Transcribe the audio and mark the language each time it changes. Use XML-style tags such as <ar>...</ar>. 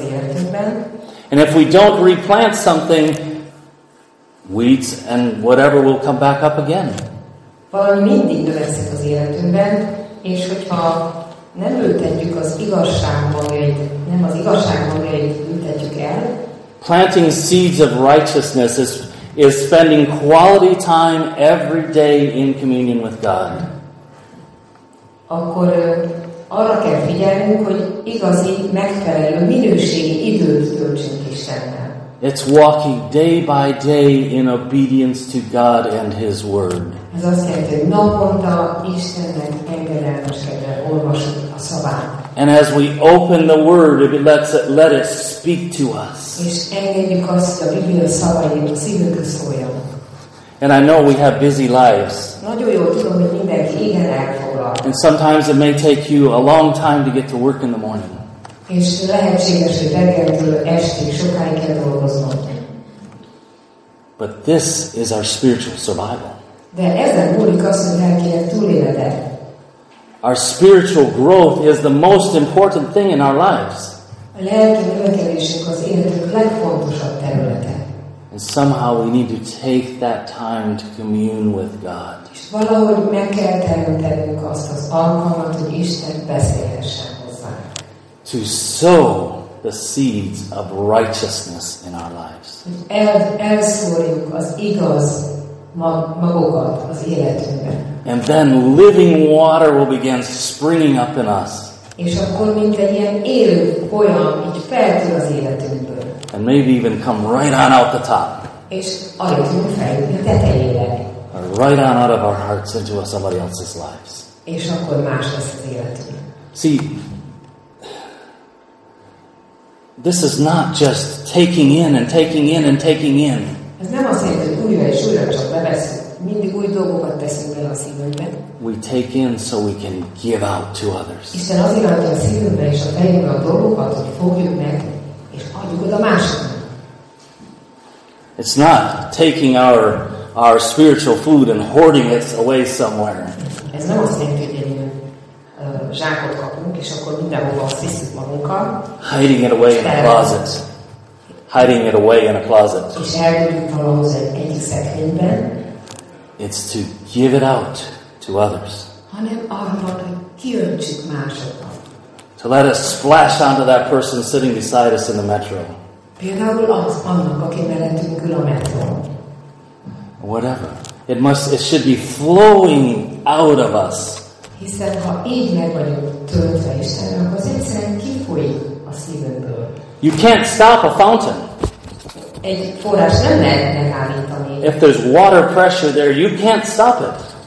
<en>And if we don't replant something, weeds and whatever will come back up again.</en> <hu>Valami mindig növekszik az életünkben, és hogyha nem ültetjük az igazság magjait, nem az igazság magjait ültetjük el.</hu> <en>Planting seeds of righteousness is spending quality time every day in communion with God.</en> <hu>Akkor arra kell figyelnünk, hogy igazi, megfelelő, minőségi időt töltsünk Istennel.</hu> <en>It's walking day by day in obedience to God and His Word.</en> <hu>Ez azt jelenti, hogy naponta Istennek engedelmeskedve olvasunk a szavát.</hu> <en>And as we open the Word, if it lets it, let it speak to us.</en> <hu>És engedjük azt, hogy a Biblia szavait a szívünkre szóljon.</hu> <en>And I know we have busy lives.</en> <hu>Nagyon jól tudom, hogy mindenki igen elfoglal.</hu> <en>And sometimes it may take you a long time to get to work in the morning.</en> <hu>És lehetséges, hogy reggeltől estig sokáig kell dolgoznom.</hu> <en>But this is our spiritual survival.</en> <hu>De ezen múlik az, hogy el kell túléledet.</hu> <en>Our spiritual growth is the most important thing in our lives.</en> <hu>A lelki növekedésünk az életünk legfontosabb területe.</hu> <en>And somehow we need to take that time to commune with God.</en> <hu>És valahogy meg kell teremtenünk azt az alkalmat, hogy Isten beszélhessen hozzánk.</hu> <en>To sow the seeds of righteousness in our lives.</en> <hu>Elszórjuk az igaz magokat az életünkben.</hu> <en>And then living water will begin springing up in us.</en> <hu>És akkor mint egy ilyen élő folyam, így feltör az életünkből.</hu> <en>And maybe even come right on out the top.</en> <hu>És alig tudunk feljutni a tetejére.</hu> <en>Or right on out of our hearts into somebody else's lives.</en> <hu>És akkor más lesz az életünk.</hu> <en>See, this is not just taking in and taking in and taking in.</en> <hu>Ez nem azt jelenti, hogy újra és újra csak bevesszük. Mindig új dolgokat teszünk bele a szívünkbe.</hu> <en>We take in so we can give out to others.</en> <hu>Isten az iránt a szívünkbe és a fejünkbe a dolgokat, hogy fogjuk meg, és adjuk oda másoknak.</hu> <en>It's not taking our spiritual food and hoarding it away somewhere.</en> <hu>Ez nem azt jelenti, hogy egy zsákot kapunk, és akkor mindenhova azt visszük magunkkal.</hu> <en>Hiding it away in a closet. Hiding it away in a closet.</en> <hu>És elküldjük valahoz egy szekrényben.</hu> <en>It's to give it out to others.</en> <hu>Hanem arra, hogy kiöntsük másokat.</hu> <en>To let it splash onto that person sitting beside us in the metro.</en> <hu>Például az annak, aki mellettünk ül a metró.</hu> <en>Whatever. It should be flowing out of us.</en> <hu>Hiszen ha így meg vagyunk töltve Istennel, akkor az egyszerűen kifolyik a szívedből.</hu> <en>You can't stop a fountain.</en> <hu>Egy forrás nem lehet megállítani.</hu> <en>If there's water pressure there, you can't stop it.</en>